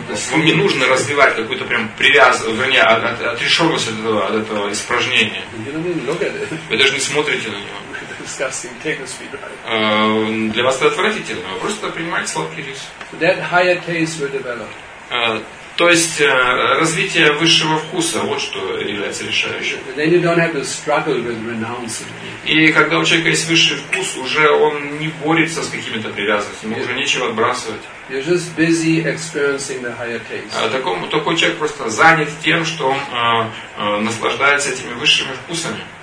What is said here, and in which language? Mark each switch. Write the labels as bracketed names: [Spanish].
[Russian] вам не нужно развивать какую-то прям привязанность, вернее, отрешенность от этого испражнения. Вы даже не смотрите на него. Для вас это отвратительно. Вы просто принимаете сладкий рис. [English] That higher taste will develop. [Russian] То есть развитие высшего вкуса, вот что является решающим. [English] Then you don't have to struggle with renouncing. [Russian] И когда у человека есть высший вкус, уже он не борется с какими-то привязанностями, уже нечего отбрасывать. [English] You're just busy experiencing the higher taste. [Russian] Такой человек просто занят тем, что он наслаждается этими высшими вкусами.